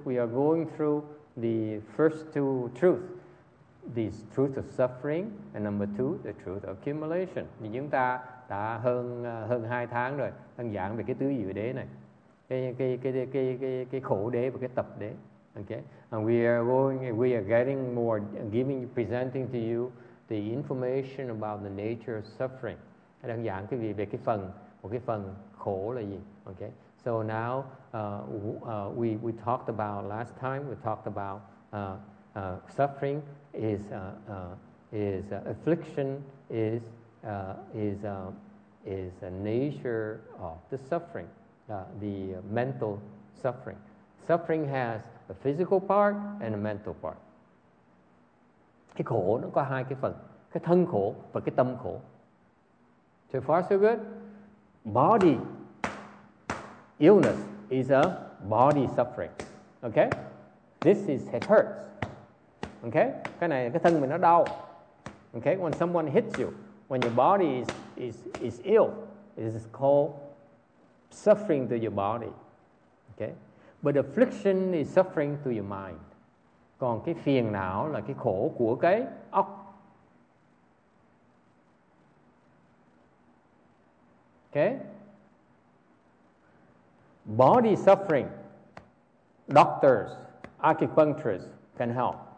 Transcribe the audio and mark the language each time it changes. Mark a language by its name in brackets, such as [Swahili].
[English] We are going through the first two truths. The truth of suffering and number two, the truth of accumulation. [Vietnamese] Thì chúng ta đã hơn 2 tháng rồi đang giảng về cái tứ diệu đế này. Cái khổ đế và cái tập đế. Okay? [English] And we are presenting to you the information about the nature of suffering. [Vietnamese] Đang giảng cái gì về cái phần một cái phần khổ là gì. [English] Okay? So now we talked about last time we talked about suffering is affliction is a nature of the suffering, mental suffering. Suffering has a physical part and a mental part. [Vietnamese] Cái khổ nó có hai cái phần, cái thân khổ và cái tâm khổ. [English] So far so good. Body illness is a body suffering. Okay, this is it hurts. Okay, [Vietnamese] cái này cái thân mình nó đau. [English] Okay, when someone hits you, when your body is ill, it is called suffering to your body. Okay, but affliction is suffering to your mind. [Vietnamese] Còn cái phiền não là cái khổ của cái óc. [English] Okay, body suffering, doctors, acupuncturists can help.